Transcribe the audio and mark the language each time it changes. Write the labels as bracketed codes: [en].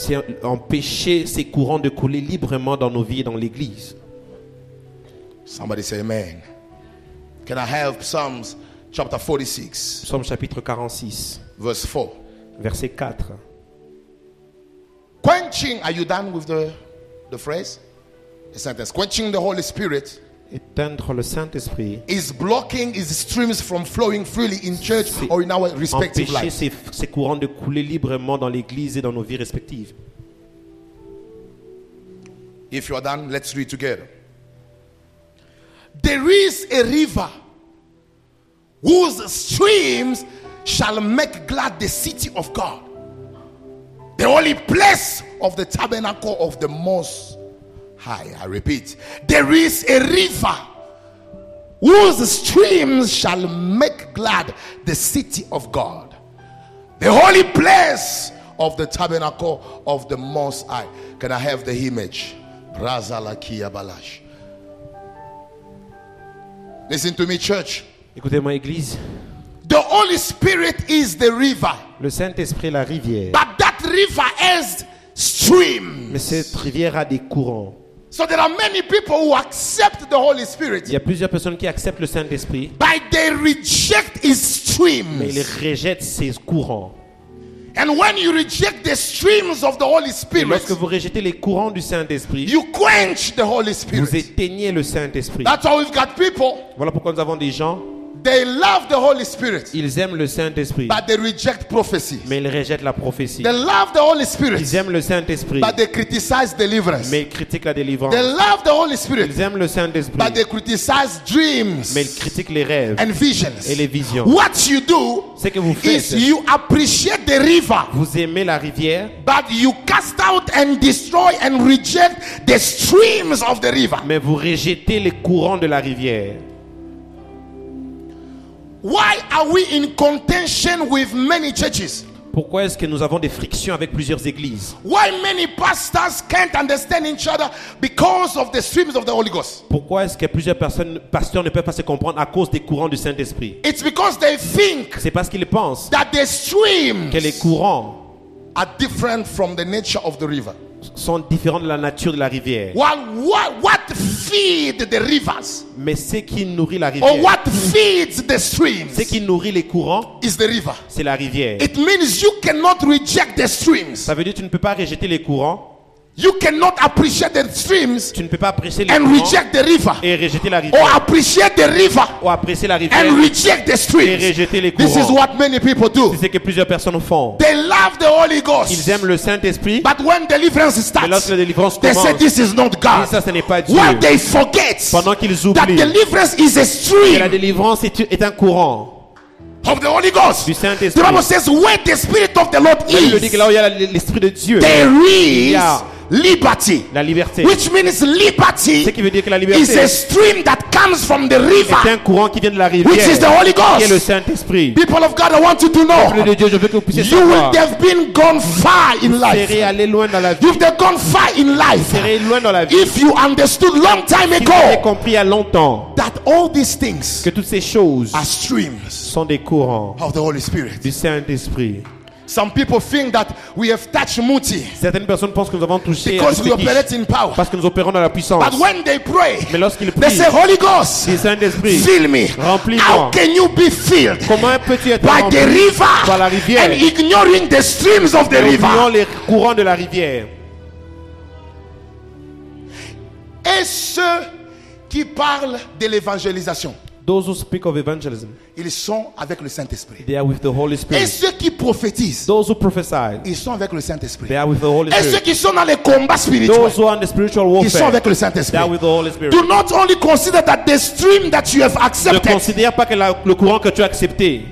[fr] C'est empêcher ces courants de couler librement dans nos vies et dans l'église. [en] Somebody say amen. Can I have Psalms chapter 46? [fr] Psaume chapitre 46. [en] Verse 4. [fr] Verset 4. [en] Quenching, are you done with the phrase? The sentence. Quenching the Holy Spirit. [fr] Éteindre le Saint-Esprit [en] is blocking his streams from flowing freely in church or in our respective lives. [fr] Empêcher ses courants de couler librement dans l'église et dans nos vies respectives. [en] If you are done, let's read together. There is a river whose streams shall make glad the city of God, the holy place of the tabernacle of the Most High. I repeat, there is a river whose streams shall make glad the city of God, the holy place of the tabernacle of the Most High. Can I have the image? Brazalakia Balash. Listen to me, church. [fr] Écoutez-moi, église. [en] The Holy Spirit is the river. [fr] Le Saint-Esprit la rivière. [en] But that river has streams. [fr] Mais cette rivière a des courants. [en] So there are many people who accept the Holy Spirit. [fr] Il y a plusieurs personnes qui acceptent le Saint-Esprit. [en] But they reject his streams. [fr] Mais ils rejettent ses courants. [en] And when you reject the streams of the Holy Spirit, [fr] et lorsque vous rejetez les courants du Saint-Esprit, [en] you quench the Holy Spirit. [fr] Vous éteignez le Saint-Esprit. [en] That's how we've got people. [fr] Voilà pourquoi nous avons des gens. [en] They love the Holy Spirit. [fr] Ils aiment le Saint-Esprit. [en] But they reject prophecy. [fr] Mais ils rejettent la prophétie. [en] They love the Holy Spirit. [fr] Ils aiment le Saint-Esprit. [en] But they criticize deliverance. [fr] Mais ils critiquent la délivrance. [en] They love the Holy Spirit. [fr] Ils aiment le Saint-Esprit. [en] But they criticize dreams. [fr] Mais ils critiquent les rêves. [en] And visions. [fr] Et les visions. [en] What you do? [fr] Ce que vous faites. [en] Is you appreciate the river. [fr] Vous aimez la rivière. [en] But you cast out and destroy and reject the streams of the river. [fr] Mais vous rejetez les courants de la rivière. [en] Why are we in contention with many churches? [fr] Pourquoi est-ce que nous avons des frictions avec plusieurs églises? [en] Why many pastors can't understand each other because of the streams of the Holy Ghost? [fr] Pourquoi est-ce que plusieurs personnes pasteurs ne peuvent pas se comprendre à cause des courants du Saint-Esprit? [en] It's because they think. [fr] C'est parce qu'ils pensent. [en] That the streams. [fr] Que les courants. [en] Are different from the nature of the river. [fr] Sont différents de la nature de la rivière. [en] While what feed the rivers, [fr] mais ce qui nourrit la rivière, [en] or what feeds the streams, [fr] ce qui nourrit les courants, [en] is the river. [fr] C'est la rivière. [en] It means you cannot reject the streams. [fr] Ça veut dire tu ne peux pas rejeter les courants. [en] You cannot appreciate the streams, [fr] tu ne peux pas apprécier les [en] and [fr] courants, [en] reject the river, [fr] et rejeter la rivière, [en] or appreciate the river, [fr] ou apprécier la rivière, [en] and reject the streams, [fr] et rejeter les courants. [en] This is what many people do. [fr] C'est ce que plusieurs personnes font. [en] They love the Holy Ghost. [fr] Ils aiment le Saint-Esprit. [en] But when deliverance starts, [fr] mais lorsque la délivrance [en] they [fr] commence, [en] say this is not God. [fr] Ça, ce n'est pas Dieu. [en] What they forget, [fr] pendant qu'ils oublient, [en] that deliverance is a stream. [fr] Que la délivrance est un courant. [en] Of the Holy Ghost. [fr] Du Saint-Esprit. [en] The Bible says where the Spirit of the Lord is, [fr] je dis que là où il y a l'Esprit de Dieu, [en] there is liberty, [fr] la liberté, [en] which means liberty, [fr] ce qui veut dire que la liberté, [en] is a stream that comes from the river, [fr] est un courant qui vient de la rivière, [en] which is the Holy Ghost, [fr] qui est le Saint-Esprit. [en] People of God, I want you to know, [fr] peuple de Dieu, je veux que vous puissiez savoir, [en] you will have been gone far in life, [fr] vous serez allé loin dans la vie, [en] you've been gone far in life, [fr] vous serez loin dans la vie, [en] if you understood long time [fr] si [en] ago, [fr] vous avez compris il y a longtemps, [en] that all these things, [fr] que toutes ces choses, [en] are streams, [fr] sont des courants, [en] of the Holy Spirit, [fr] du Saint-Esprit. [en] Some people think that we have touched Muti. [fr] Certaines personnes pensent que nous avons touché. [en] Because we operate in power. [fr] Parce que nous opérons dans la puissance. [en] But when they pray, [fr] mais lorsqu'ils prient, [en] they say, Holy Ghost, [fr] le Saint-Esprit, [en] fill me. [fr] Remplis-moi. [en] How can you be filled? [fr] Comment peux-tu être [en] by the river, [fr] par la rivière, [en] and ignoring the streams of the river, [fr] ignorant les courants de la rivière. Et ceux qui parlent de l'évangélisation. [en] Those who speak of evangelism, [fr] ils sont avec le Saint-Esprit. [en] They are with the Holy Spirit. [fr] Et ceux qui prophétisent, [en] those who prophesy, [fr] ils sont avec le Saint-Esprit. [en] They are with the Holy Spirit. [fr] Et ceux qui sont dans les combats spirituels, [en] those who are in the spiritual warfare, [fr] ils sont avec le Saint-Esprit. [en] They are with the Holy Spirit. Do not only consider that the stream that you have accepted. [fr] Ne considère pas que le courant que tu as accepté.